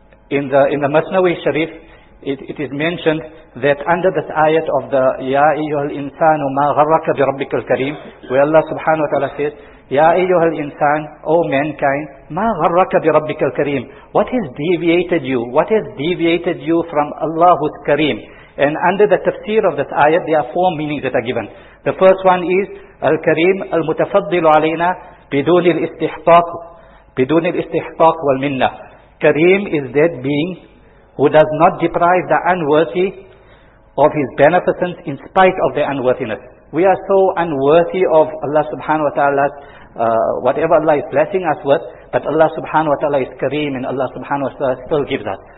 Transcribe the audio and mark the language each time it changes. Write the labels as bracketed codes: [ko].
[en] In the Masnawi Sharif, it is mentioned that under this ayat of the Ya Ayyuhal Insanu Ma Gharraka Bi Rabbikal Kareem, where Allah subhanahu wa ta'ala says, [ar] يا أيها الإنسان, [en] oh mankind, [ar] ما غرك بربك الكريم, [en] what has deviated you, what has deviated you from Allah's Kareem. And under the tafsir of this ayat, there are four meanings that are given. The first one is [ar] الكريم المتفضل علينا بدون الاستحقاق, بدون الاستحقاق والمنة. [en] Kareem is that being who does not deprive the unworthy of his beneficence in spite of their unworthiness. We are so unworthy of Allah subhanahu wa ta'ala, whatever Allah is blessing us with, but Allah subhanahu wa ta'ala is kareem and Allah subhanahu wa ta'ala still gives us.